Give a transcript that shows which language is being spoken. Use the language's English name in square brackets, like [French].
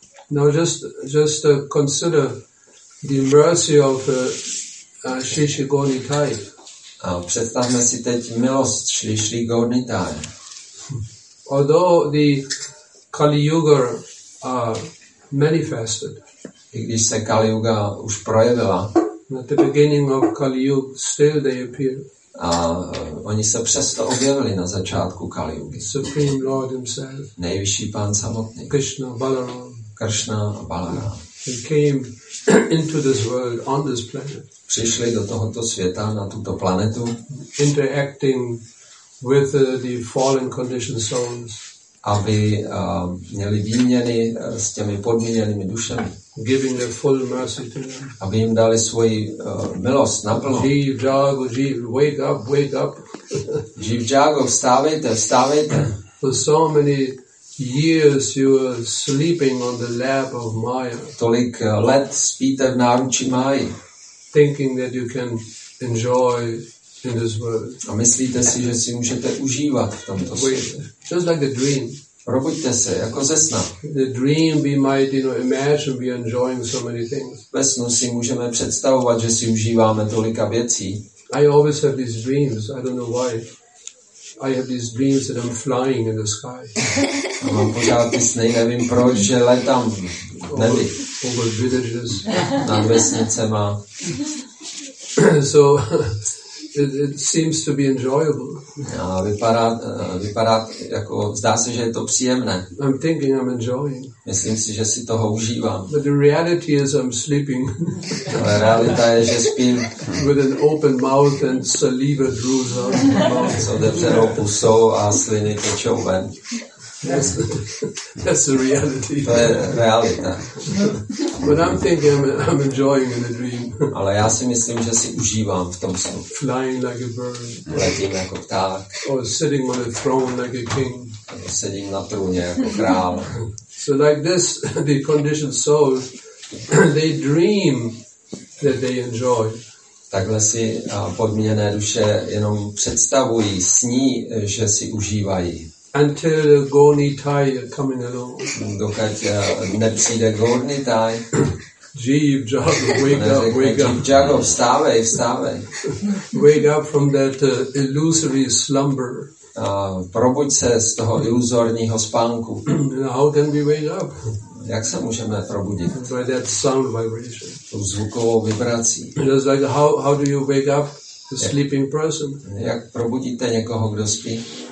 [English] No, just consider the mercy of Shri Shri Goni Thai. [Czech] A představme si teď milost Shri Shri Goni Thai. [English] Although the Kali Yuga manifested, [Czech] i když se Kali Yuga už projevila, [English] at the beginning of Kali Yuga, still they appear. [Czech] A oni se přesto objevili na začátku Kali Yugi. [English] Supreme Lord himself. [Czech] Nejvyšší pán samotný. [English] Krishna, Balaram. [Czech] Krishna a Balaram. [English] They came into this world on this planet. [Czech] Přišli do tohoto světa na tuto planetu. [English] Interacting with the fallen conditioned souls. [Czech] Aby měli výměny s těmi podmíněnými dušemi. [English] Giving their full mercy to them. [Czech] Aby jim dali svoji milost naplno. [English] Jeev Jago, Jeev, wake up, wake up. [Czech] Jeev Jago, vstávejte, vstávejte. [English] For so many years you are sleeping on the lap of Maya. [Czech] Tolik let spíte v náručí Máji. [English] Thinking that you can enjoy in this world. [Czech] A myslíte si, že si můžete užívat v tomto světě. [English] Just like a dream. [Czech] Probuďte se, jako ze sna. [English] The dream we might, you know, imagine we are enjoying so many things. [Czech] Ve snu si můžeme představovat, že si užíváme tolika věcí. [English] I always have these dreams, I don't know why. I have these dreams that I'm flying in the sky. [Czech] A mám pořád ty sny, nevím proč, že letám v nebi. [English] Over villages. [Czech] Nad vesnicema. [English] So it seems to be enjoyable. [Czech] A vypadá jako, zdá se, že je to příjemné. [English] I'm thinking I'm enjoying. [Czech] Myslím si, že si toho užívám. [English] But the reality is I'm sleeping. [Czech] Ale realita je, že spím. [English] With an open mouth and saliva drools out of my mouth. [Czech] S otevřenou pusou a sliny tečou ven. [English] That's the reality. [Czech] To je realita. [English] But I'm thinking I'm enjoying in a dream. [Czech] Ale já si myslím, že si užívám v tom snu. [English] Flying like a bird. [Czech] Letím jako pták. [English] Or sitting on a throne like a king. [Czech] Nebo sedím na trůně jako král. [English] So like this, the conditioned soul, they dream that they enjoy. [Czech] Takhle si podmíněné duše jenom představují, sní, že si užívají. [English] Until the Goni Thai coming along. [Czech] Dokud nepřijde Goni Thai. [English] Jeev Jago, wake up, wake up. [Czech] Jago, vstávej, vstávej. [English] Wake up from that illusory slumber. [Czech] Probuď se z toho iluzorního spánku. [English] How can we wake up? [Czech] Jak se můžeme probudit? [English] By that sound vibration. [Czech] Tou zvukovou vibrací. [English] It's like, how do you wake up a sleeping person? [Czech] Jak probudíte někoho, kdo spí?